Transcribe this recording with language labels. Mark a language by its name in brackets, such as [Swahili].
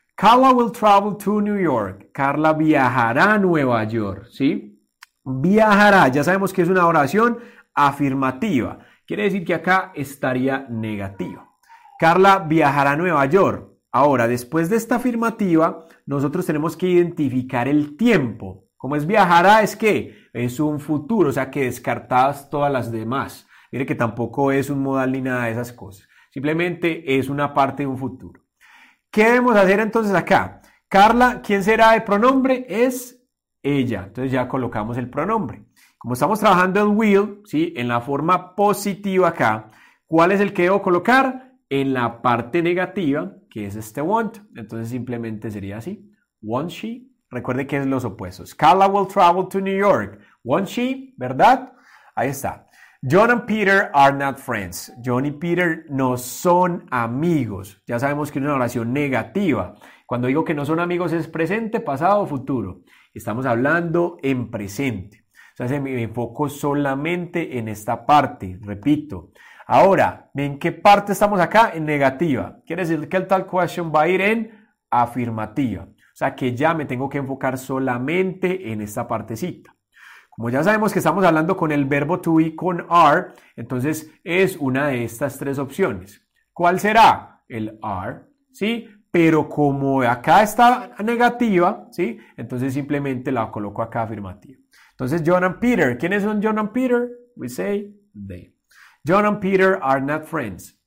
[English] Carla will travel to New York. [Spanish] Carla viajará a Nueva York. ¿Sí? Viajará. Ya sabemos que es una oración afirmativa. Quiere decir que acá estaría negativo. Carla viajará a Nueva York. Ahora, después de esta afirmativa, nosotros tenemos que identificar el tiempo. ¿Cómo es viajará? Es que es un futuro, o sea que descartadas todas las demás. Mire que tampoco es un modal ni nada de esas cosas. Simplemente es una parte de un futuro. ¿Qué debemos hacer entonces acá? Carla, ¿quién será el pronombre? Es ella. Entonces ya colocamos el pronombre. Como estamos trabajando el will, ¿sí? En la forma positiva acá, ¿cuál es el que debo colocar? En la parte negativa, que es este want. Entonces simplemente sería así. [English] Won't she? [Spanish] Recuerde que es los opuestos. [English] Carla will travel to New York. Won't she? [Spanish] ¿Verdad? Ahí está. [English] John and Peter are not friends. [Spanish] John y Peter no son amigos. Ya sabemos que es una oración negativa. Cuando digo que no son amigos, ¿es presente, pasado o futuro? Estamos hablando en presente. sea, me enfoco solamente en esta parte, repito. Ahora, ¿en qué parte estamos acá? En negativa. Quiere decir que el tal question va a ir en afirmativa. O sea, que ya me tengo que enfocar solamente en esta partecita. Como ya sabemos que estamos hablando con el verbo to be con are, entonces es una de estas tres opciones. ¿Cuál será? El are, ¿sí? Pero como acá está negativa, ¿sí? Entonces simplemente la coloco acá afirmativa. Entonces, John and Peter. ¿Quiénes son John and Peter? [English] We say they. John and Peter are not friends.